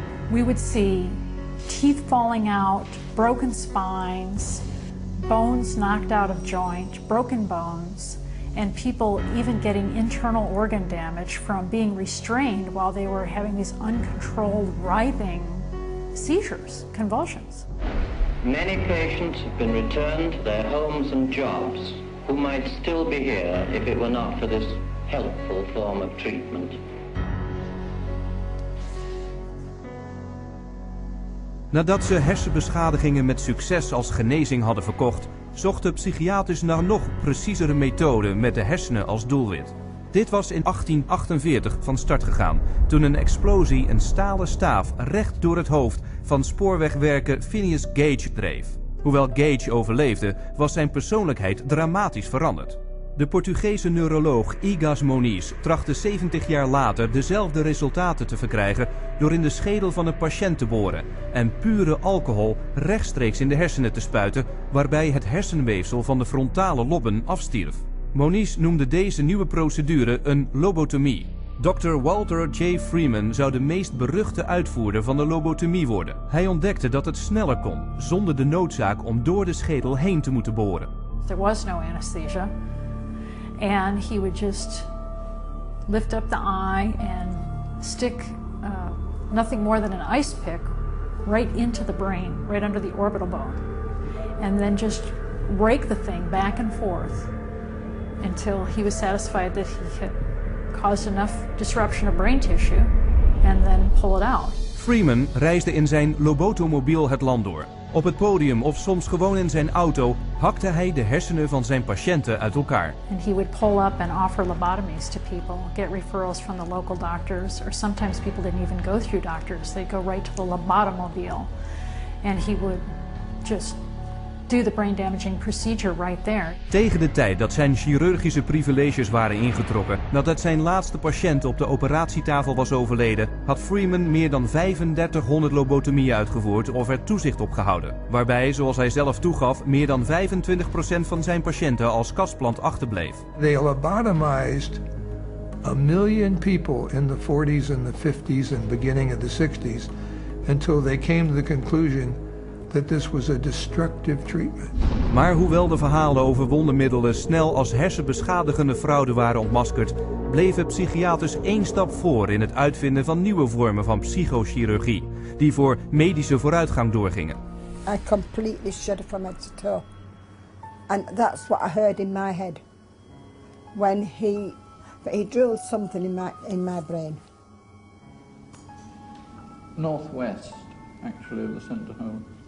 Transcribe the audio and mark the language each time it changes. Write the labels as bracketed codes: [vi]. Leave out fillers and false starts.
[en] We would see teeth falling out, broken spines, bones knocked out of joint, broken bones, and people even getting internal organ damage from being restrained while they were having these uncontrolled, writhing seizures, convulsions. Many patients have been returned to their homes and jobs who might still be here if it were not for this helpful form of treatment. [nl] Nadat ze hersenbeschadigingen met succes als genezing hadden verkocht, zochten psychiaters naar nog preciezere methoden met de hersenen als doelwit. Dit was in 1848 van start gegaan, toen een explosie een stalen staaf recht door het hoofd van spoorwegwerker Phineas Gage dreef. Hoewel Gage overleefde, was zijn persoonlijkheid dramatisch veranderd. De Portugese neuroloog Igas Moniz trachtte 70 jaar later dezelfde resultaten te verkrijgen door in de schedel van een patiënt te boren en pure alcohol rechtstreeks in de hersenen te spuiten, waarbij het hersenweefsel van de frontale lobben afstierf. Moniz noemde deze nieuwe procedure een lobotomie. Dr. Walter J. Freeman zou de meest beruchte uitvoerder van de lobotomie worden. Hij ontdekte dat het sneller kon, zonder de noodzaak om door de schedel heen te moeten boren. [en] There was no anesthesia. And he would just lift up the eye and stick nothing more than an ice pick right into the brain, right under the orbital bone. And then just rake the thing back and forth until he was satisfied that he had caused enough disruption of brain tissue, and then pull it out. [nl] Freeman reisde in zijn lobotomobiel het land door. Op het podium of soms gewoon in zijn auto hakte hij de hersenen van zijn patiënten uit elkaar. [en] And he would pull up and offer lobotomies to people, get referrals from the local doctors, or sometimes people didn't even go through doctors, they'd go right to the lobotomobile. And he would just do the brain damaging procedure right there. [nl] Tegen de tijd dat zijn chirurgische privileges waren ingetrokken, nadat zijn laatste patiënt op de operatietafel was overleden, had Freeman meer dan 3500 lobotomieën uitgevoerd of er toezicht op gehouden. Waarbij, zoals hij zelf toegaf, meer dan 25% van zijn patiënten als kasplant achterbleef. [en] They lobotomized 1 million people in the 40s and the 50s and beginning of the 60s until they came to the conclusion that this was a destructive treatment. [nl] Maar hoewel de verhalen over wondermiddelen snel als hersenbeschadigende fraude waren ontmaskerd, bleven psychiaters één stap voor in het uitvinden van nieuwe vormen van psychochirurgie die voor medische vooruitgang doorgingen. [en] I completely shudder from head to toe. And that's what I heard in my head when he drilled something in my brain. Northwest, actually, of the center home.